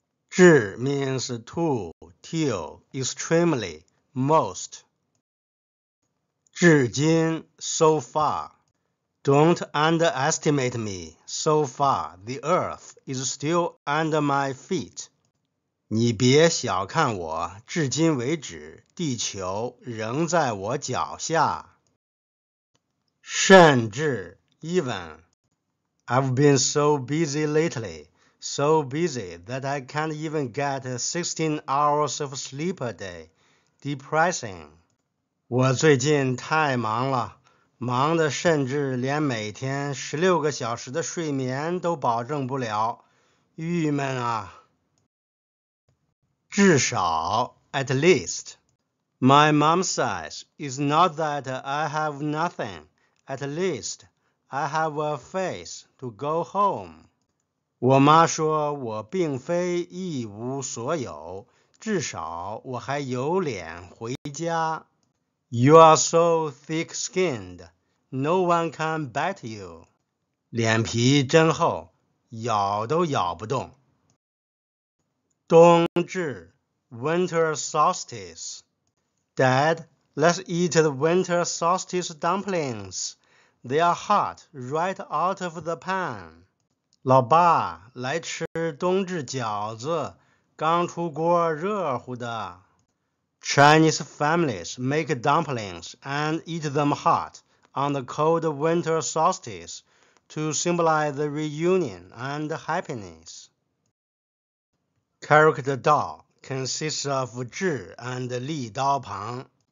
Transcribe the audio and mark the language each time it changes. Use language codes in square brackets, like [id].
[en] 智 means to, till, extremely, most. 至今 so far. Don't underestimate me, so far, the earth is still under my feet. [zh] 你别小看我，至今为止，地球仍在我脚下。 [en] 甚至 even. I've been so busy lately, so busy that I can't even get 16 hours of sleep a day. Depressing. [zh] 我最近太忙了，忙得甚至连每天16个小时的睡眠都保证不了，郁闷啊。 [en] 至少 at least. My mom says it's not that I have nothing. At least, I have a face to go home. [zh] 我妈说我并非一无所有，至少我还有脸回家。 [en] You are so thick-skinned. No one can bite you. [zh] 脸皮真厚，咬都咬不动。 [en] 冬至 Winter solstice. Dad, let's eat the winter solstice dumplings. They are hot right out of the pan. 老爸，来吃冬至饺子，刚出锅热乎的。 Chinese families make dumplings and eat them hot on the cold winter solstice to symbolize the reunion and happiness. Character 道 consists of 智 and 利刀旁。